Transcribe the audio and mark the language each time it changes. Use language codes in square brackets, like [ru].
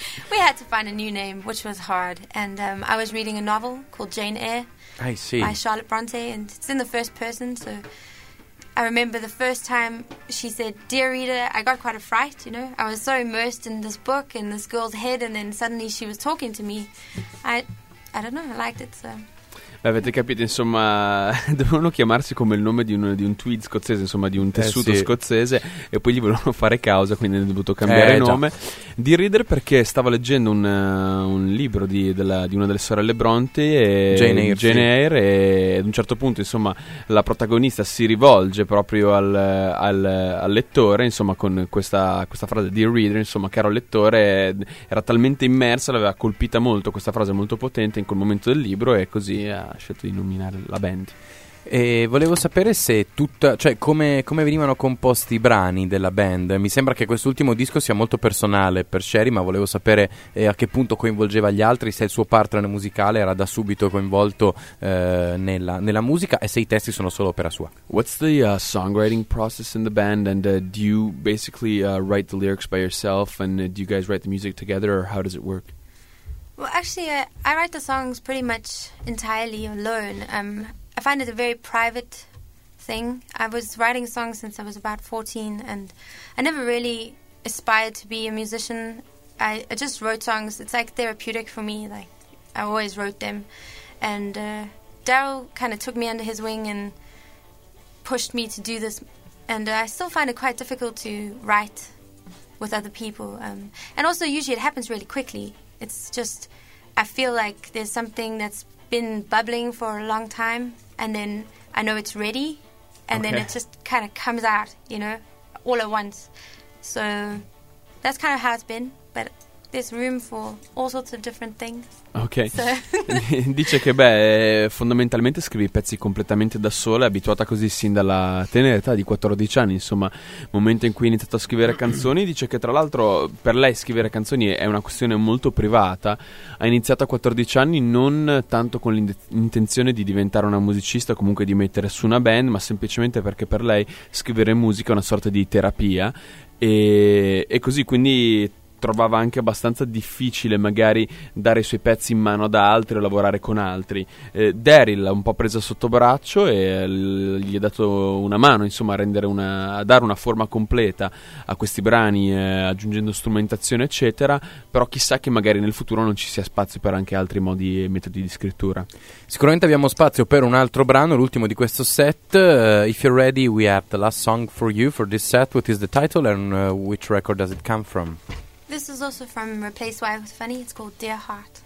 [en] We had to find a new name, which was hard. And I was reading a novel called Jane Eyre. I see. By Charlotte Bronte. And it's in the first person. So I remember the first time she said, Dear Reader, I got quite a fright, you know. I was so immersed in this book and this girl's head. And then suddenly she was talking to me. I don't know. I liked it, so... [it] Avete capito, insomma, dovevano chiamarsi come il nome di un tweed scozzese, insomma di un tessuto scozzese, e poi gli volevano fare causa, quindi hanno dovuto cambiare nome. Di Reader perché stava leggendo un libro di una delle sorelle Bronte, Jane Eyre, e ad un certo punto, insomma, la protagonista si rivolge proprio al lettore, insomma, con questa frase di Reader, insomma, caro lettore, era talmente immersa, l'aveva colpita molto questa frase molto potente in quel momento del libro, e così ha scelto di nominare la band. E volevo sapere se tutta, cioè come venivano composti i brani della band. Mi sembra che quest'ultimo disco sia molto personale per Sherry, ma volevo sapere a che punto coinvolgeva gli altri, se il suo partner musicale era da subito coinvolto nella musica, e se i testi sono solo opera sua. [en] What's the songwriting process in the band, and do you basically write the lyrics by yourself, and do you guys write the music together, or how does it work? Well, actually, I write the songs pretty much entirely alone. I find it a very private thing. I was writing songs since I was about 14, and I never really aspired to be a musician. I just wrote songs. It's like therapeutic for me. Like, I always wrote them. And Daryl kind of took me under his wing and pushed me to do this. And I still find it quite difficult to write with other people. And also, usually it happens really quickly. It's just, I feel like there's something that's been bubbling for a long time, and then I know it's ready, and then it just kind of comes out, you know, all at once. So that's kind of how it's been, but there's room for all sorts of different things. [it] Ok, dice che fondamentalmente scrivi pezzi completamente da sola, abituata così sin dalla tenera età di 14 anni, insomma, momento in cui ha iniziato a scrivere canzoni. Dice che tra l'altro per lei scrivere canzoni è una questione molto privata. Ha iniziato a 14 anni non tanto con l'intenzione di diventare una musicista o comunque di mettere su una band, ma semplicemente perché per lei scrivere musica è una sorta di terapia, e così quindi trovava anche abbastanza difficile magari dare i suoi pezzi in mano ad altri o lavorare con altri. Daryl l'ha un po' presa sotto braccio e gli ha dato una mano, insomma, a dare una forma completa a questi brani, aggiungendo strumentazione eccetera, però chissà che magari nel futuro non ci sia spazio per anche altri modi e metodi di scrittura. Sicuramente abbiamo spazio per un altro brano, l'ultimo di questo set. [en] If you're ready, we have the last song for you for this set. What is the title and which record does it come from? This is also from Replace Why with Funny. It's called Dear Heart.